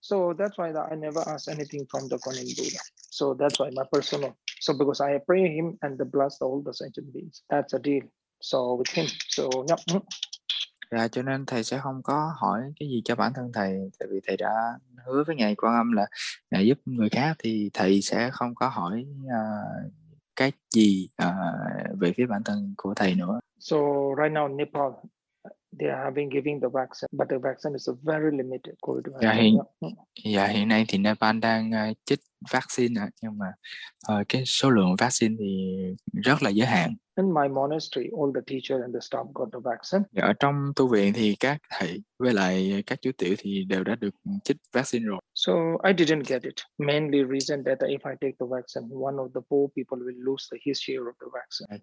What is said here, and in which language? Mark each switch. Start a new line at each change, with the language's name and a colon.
English: So that's why I never ask anything from the Kuan Yin Buddha. So that's why my personal. So because I pray him and the bless all the sentient beings. That's a deal. So with him.
Vietnamese: Dạ, cho nên thầy sẽ không có hỏi cái gì cho bản thân thầy, tại vì thầy đã hứa với Ngài Quan Âm là Ngài giúp người khác, thì thầy sẽ không có hỏi cái gì về phía bản thân của thầy nữa.
English: So right now Nepal, they have been giving the vaccine, but the vaccine is a very limited COVID
Vietnamese: Dạ,
English: vaccine.
Vietnamese: hiện nay thì Nepal đang chích vaccine, nhưng mà cái số lượng vaccine thì rất là giới hạn.
English: In my monastery, all the teacher and the staff got the vaccine.
Vietnamese: Dạ, ở trong tu viện thì các thầy với lại các chú tiểu thì đều đã được chích vaccine rồi.
English: So I didn't get it. Mainly reason that if I take the vaccine, one of the poor people will lose the history of the vaccine.